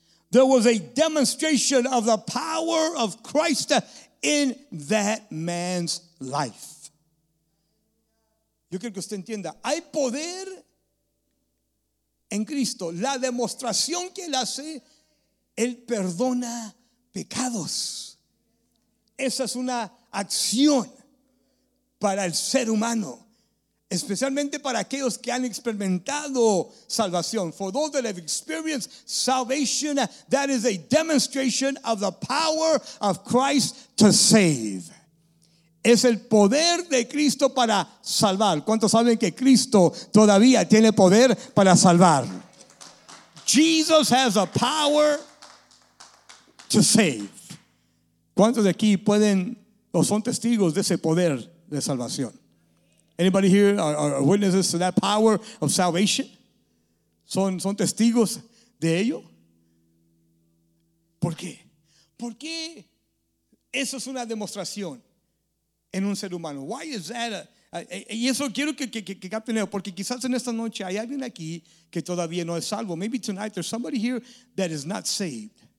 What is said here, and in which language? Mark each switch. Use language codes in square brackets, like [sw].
[en] There was a demonstration of the power of Christ in that man's life. [es] Yo quiero que usted entienda. Hay poder en Cristo. La demostración que Él hace, Él perdona pecados. Esa es una acción para el ser humano, especialmente para aquellos que han experimentado salvación. [en] For those that have experienced salvation, that is a demonstration of the power of Christ to save. [es] Es el poder de Cristo para salvar. ¿Cuántos saben que Cristo todavía tiene poder para salvar? [en] Jesus has a power to save. [es] ¿Cuántos de aquí pueden o son testigos de ese poder de salvación? [en] Anybody here are witnesses to that power of salvation? [es] ¿Son testigos de ello? ¿Por qué? Porque eso es una demostración en un ser humano. [en] Why is that? [es] Y eso quiero que capten, porque quizás en esta noche hay alguien aquí que todavía no es salvo. [en] Maybe tonight there's somebody here that is not saved.